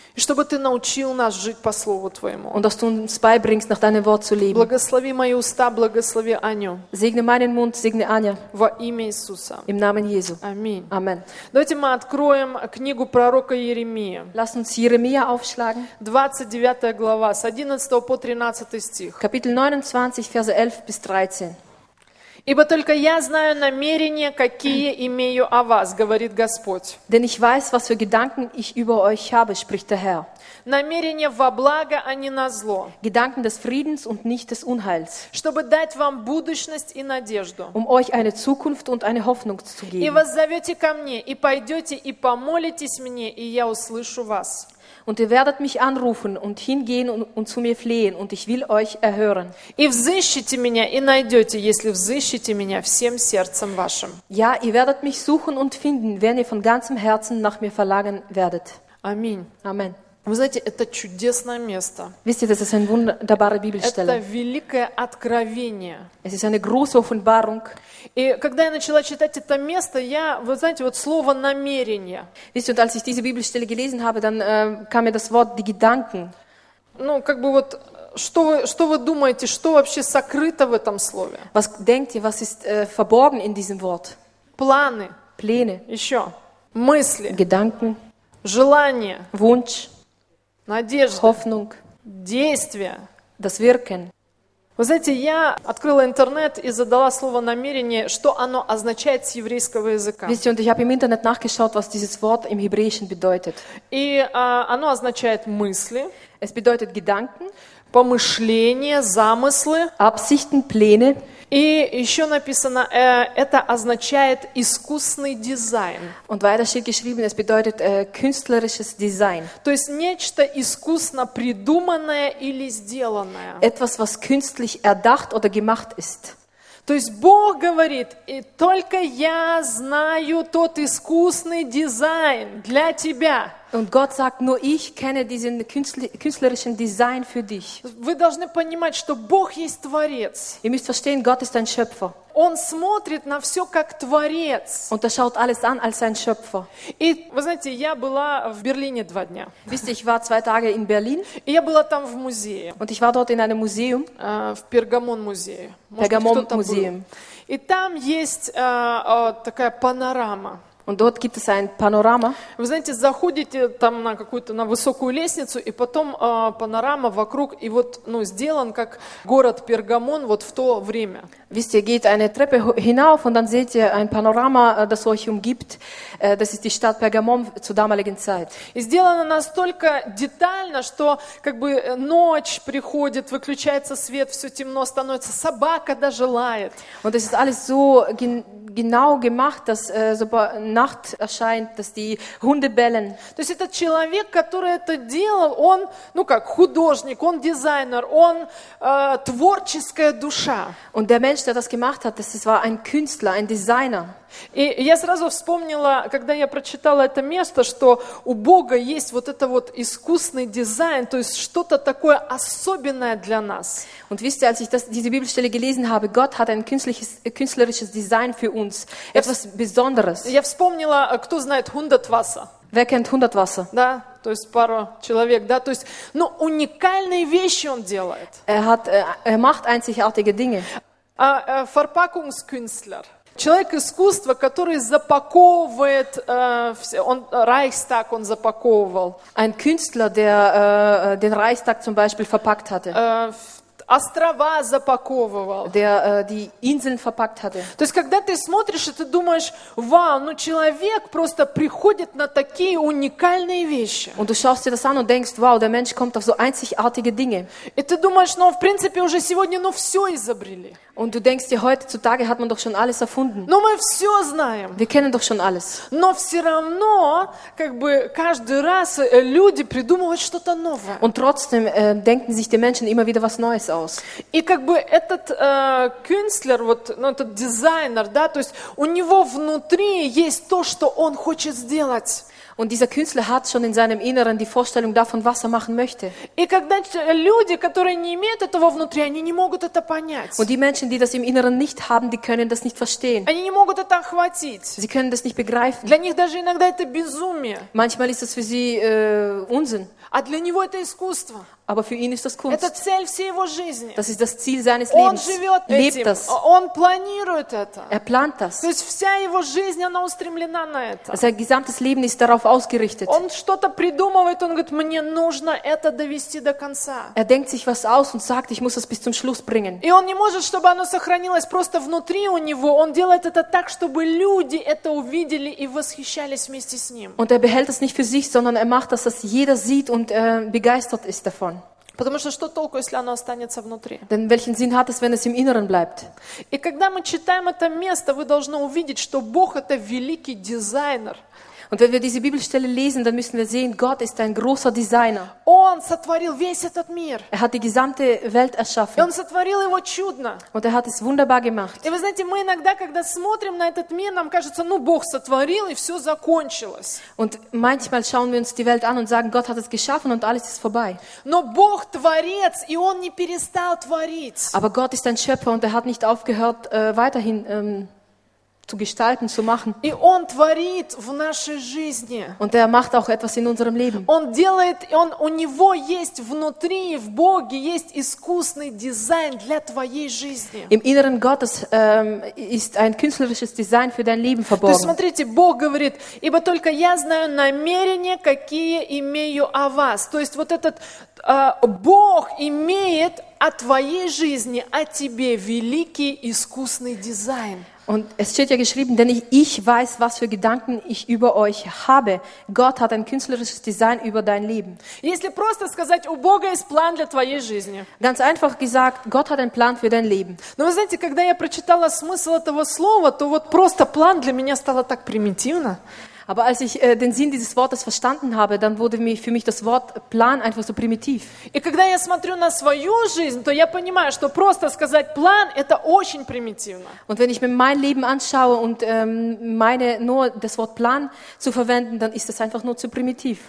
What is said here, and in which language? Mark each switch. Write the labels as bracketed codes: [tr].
[ru] И чтобы Ты научил нас жить по Слову Твоему. [de] Und dass du uns beibringst, nach deinem Wort zu leben. [ru] Благослови мои уста, благослови Аню. [de] Segne meinen Mund, segne Аня. [ru] Во имя Иисуса. [de] Im Namen Jesu. [ru] Аминь. [de] Amen. [ru] Давайте мы откроем книгу пророка Иеремии. [de] Lass uns Jeremia aufschlagen. [ru] 29 глава, с 11 по 13 стих. [de] Kapitel 29, Verse 11 bis 13. [ru] «Ибо только я знаю намерения, какие имею о вас, говорит Господь». [de] «Denn ich weiß, was für Gedanken ich über euch habe, spricht der Herr». [ru] «Намерения во благо, а не на зло». [de] «Gedanken des Friedens und nicht des Unheils». [ru] «Чтобы дать вам будущность и надежду». [de] «Um euch eine Zukunft und eine Hoffnung zu geben». [ru] «И воззовете ко мне, и пойдете, и помолитесь мне, и я услышу вас». [de] Und ihr werdet mich anrufen und hingehen und zu mir flehen und ich will euch erhören. [ru] И взыщите меня и найдете, если взыщите меня всем сердцем вашим. [de] Ja, ihr werdet mich suchen und finden, wenn ihr von ganzem Herzen nach mir verlangen werdet. Amen. Amen. [ru] Вы знаете, это чудесное место. [de] Wisst ihr, das ist ein wunderbarer Bibelstelle. [ru] Это великое откровение. [de] Es ist eine große Offenbarung. [ru] И когда я начала читать это место, я, вы знаете, вот слово намерение. [de] Wisst ihr, als ich diese Bibelstelle gelesen habe, dann kam mir das Wort die Gedanken. [ru] Ну, как бы вот, что вы думаете, что вообще сокрыто в этом слове? [de] Was denkt ihr, was ist verborgen in diesem Wort? [ru] Планы. [de] Pläne. [ru] Еще. Мысли. [de] Gedanken. [ru] Желание. [de] Wunsch. [ru] Надежда. [de] Hoffnung. [ru] Действие. [de] Das Wirken. [ru] Вы знаете, я открыла интернет и задала слово намерение, что оно означает с еврейского языка. [de] Wisst ihr, und ich habe im Internet nachgeschaut, was dieses Wort im Hebräischen bedeutet. [ru] И оно означает мысли. [de] Es bedeutet Gedanken. [ru] Помышления, замыслы. [de] Absichten, Pläne. [ru] И еще написано, это означает искусный дизайн. [de] Und weiter steht geschrieben, es bedeutet künstlerisches Design. [ru] То есть нечто искусно придуманное или сделанное. [de] Etwas, was künstlich erdacht oder gemacht ist. [ru] То есть Бог говорит, и только я знаю тот искусный дизайн для тебя. [de] Und Gott sagt, nur ich kenne diesen künstlerischen Design für dich. [ru] Вы должны понимать, что Бог есть Творец. [de] Ihr müsst verstehen, Gott ist ein Schöpfer. [ru] Он смотрит на все как Творец. [de] Und er schaut alles an als ein Schöpfer. [ru] И, вы знаете, я была в Берлине два дня. [de] Wisst ihr, ich war zwei Tage in Berlin. [ru] И я была там в музее. [de] Und ich war dort in einem Museum. [ru] В Пергамон-музее. Пергамон-музеем. И там есть такая панорама. [de] Und dort gibt es ein Panorama. [ru] Вы знаете, заходите там на какую-то на высокую лестницу, и потом панорама вокруг, и вот, ну, сделан как город Пергамон вот в то время. [de] Wisst ihr, geht eine Treppe hinauf und dann seht ihr ein Panorama, das euch umgibt. Das ist die Stadt Pergamon zur damaligen Zeit. [ru] И сделано настолько детально, что как бы ночь приходит, выключается свет, все темно становится, собака даже лает. [de] Und es ist alles so genau gemacht, dass sobald Nacht erscheint, dass die Hunde bellen. [ru] То есть этот человек, который это делал, он, ну как, художник, он дизайнер, он творческая душа. [de] Und der Mensch, der das gemacht hat, das war ein Künstler, ein Designer. [ru] И я сразу вспомнила, когда я прочитала это место, что у Бога есть вот это вот искусный дизайн, то есть что-то такое особенное для нас. [de] Und wisst ihr, als ich diese Bibelstelle gelesen habe, Gott hat ein künstlerisches Design für uns, etwas Besonderes. [ru] Я вспомнила, кто знает Hundertwasser? [de] Wer kennt Hundertwasser? [ru] Да, то есть пару человек, да, то есть, но уникальные вещи он делает. [de] Er macht einzigartige Dinge. Verpackungskünstler. [ru] Человек искусства, который запаковывает, он Reichstag он запаковывал. [de] Ein Künstler, der den Reichstag zum Beispiel verpackt hatte. [ru] Острова запаковывал. [de] Der die Inseln verpackt hatte. [ru] То есть, когда ты смотришь, и ты думаешь, вау, ну человек просто приходит на такие уникальные вещи. [de] Und du schaust dir das an und denkst, wow, der Mensch kommt auf so einzigartige Dinge. [ru] И ты думаешь, ну в принципе уже сегодня, ну все изобрели. [de] Und du denkst dir, heutzutage hat man doch schon alles erfunden. [ru] Но мы все знаем. [de] Wir kennen doch schon alles. [ru] Но все равно, как бы, каждый раз люди придумывают что-то новое. [de] Und trotzdem denken sich die Menschen immer wieder was Neues aus. [ru] И как бы этот Künstler, вот, ну, этот дизайнер, да, то есть у него внутри есть то, что он хочет сделать. [de] Und dieser Künstler hat schon in seinem Inneren die Vorstellung davon, was er machen möchte. [ru] И когда люди, которые не имеют этого внутри, они не могут это понять. [de] Und die Menschen, die das im Inneren nicht haben, die können das nicht verstehen. [ru] Они не могут это охватить. [de] Sie können das nicht begreifen. [ru] Для них даже иногда это безумие. [de] Manchmal ist das für sie Unsinn. [ru] А для него это искусство. [de] Aber für ihn ist das Kunst. [ru] Это цель всей его жизни. [de] Das ist das Ziel seines Lebens. [ru] Он живет [de] Lebt [ru] этим. [de] Das. [ru] Он планирует это. [de] Er plant das. [ru] То есть вся его жизнь, она устремлена на это. [de] Sein gesamtes Leben ist darauf ausgerichtet. [ru] Он что-то придумывает, он говорит, мне нужно это довести до конца. [de] Er denkt sich was aus und sagt, ich muss das bis zum Schluss bringen. [ru] И он не может, чтобы оно сохранилось просто внутри у него. Он делает это так, чтобы люди это увидели и восхищались вместе с ним. [de] Und er behält das nicht für sich, sondern er macht das, dass jeder sieht und begeistert ist davon. [ru] Потому что что толку, если оно останется внутри? [de] Denn welchen Sinn hat es, wenn es im Inneren bleibt? [ru] И когда мы читаем это место, вы должны увидеть, что Бог это великий дизайнер. [de] Und wenn wir diese Bibelstelle lesen, dann müssen wir sehen, Gott ist ein großer Designer. [ru] Он сотворил весь этот мир. [de] Er hat die gesamte Welt erschaffen. [ru] И он сотворил его чудно. [de] Und er hat es wunderbar gemacht. [ru] И вы знаете, мы иногда, когда смотрим на этот мир, нам кажется, ну Бог сотворил и все закончилось. [de] Und manchmal schauen wir uns die Welt an und sagen, Gott hat es geschaffen und alles ist vorbei. [ru] Но Бог творец и он не перестал творить. [de] Aber Gott ist ein Schöpfer und er hat nicht aufgehört weiterhin zu gestalten, zu machen. [ru] И он творит в нашей жизни. [de] Und er macht auch etwas in unserem Leben. [ru] Он делает, он, у него есть внутри, в Боге есть искусный дизайн для твоей жизни. [de] Im Inneren Gottes ist ein künstlerisches Design für dein Leben verborgen. [ru] То есть, смотрите, Бог говорит, ибо только я знаю намерения, какие имею о вас. То есть вот этот Бог имеет о твоей жизни, о тебе великий искусный дизайн. [de] Und es steht ja geschrieben, denn ich weiß, was für Gedanken ich über euch habe. Gott hat ein künstlerisches Design über dein Leben. [ru] Если просто сказать, у Бога есть план для твоей жизни. [de] Ganz einfach gesagt, Gott hat einen Plan für dein Leben. [ru] Но вы знаете, когда я прочитала смысл этого слова, то вот просто план для меня стало так примитивно. [de] Aber als ich den Sinn dieses Wortes verstanden habe, dann wurde für mich das Wort Plan einfach so primitiv. [ru] И когда я смотрю на свою жизнь, то я понимаю, что просто сказать план – это очень примитивно. [de] Und wenn ich mir mein Leben anschaue und meine nur das Wort Plan zu verwenden, dann ist das einfach nur zu primitiv.